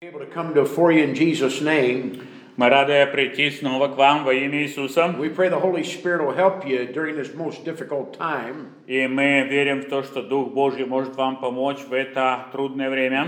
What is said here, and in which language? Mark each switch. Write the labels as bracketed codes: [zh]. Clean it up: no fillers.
[en] Able to come before you in Jesus' name. [uk] Ми раді прийти знову к вам во ім'я Ісуса. [en] We pray the Holy Spirit will help you during this most difficult time. [uk] І ми віримо в те, що Дух Божий може вам допомогти в це трудне время.